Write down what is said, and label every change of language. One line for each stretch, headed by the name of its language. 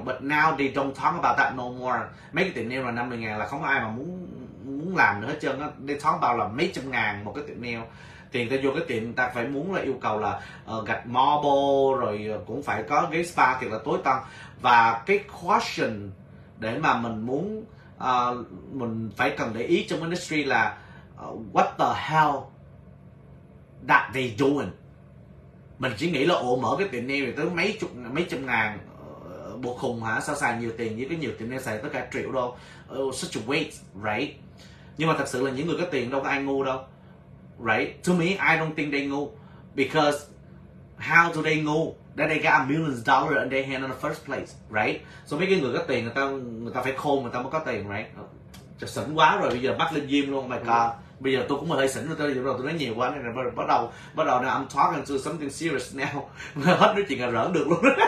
English: But now they don't talk about that no more.
Vietnamese: Mấy cái tiệm nail là 50,000 là không ai mà muốn làm nữa hết trơn á.
English: They talk about
Vietnamese: là mấy trăm ngàn một cái tiệm nail. Thì người ta vô cái tiệm người ta phải muốn là yêu cầu là gạch marble rồi cũng phải có ghế spa thì là tối tân. Và cái question để mà mình muốn mình phải cần để ý trong industry là
English: what the hell that they doing.
Vietnamese: Mình chỉ nghĩ là ồ mở cái tiệm nail thì tới mấy trăm ngàn bộ khùng hả, sao xài nhiều tiền với cái nhiều tiệm nail xài tới cả triệu đô.
English: Such a waste, right?
Vietnamese: Nhưng mà thật sự là những người có tiền đâu có ai ngu đâu.
English: Right? To me, I don't think they ngu. Because how do they ngu that they got $1 million in their hand in the first place, right?
Vietnamese: So mấy cái người có tiền người ta phải khôn người ta mới có tiền, right? Trời sỉnh quá rồi, bây giờ bắt lên gym luôn, my god. Bây giờ tôi cũng hơi sỉnh rồi, tôi nói nhiều quá nên là bắt đầu
English: I'm talking to something serious now.
Vietnamese: Hết nói chuyện là rỡn được luôn.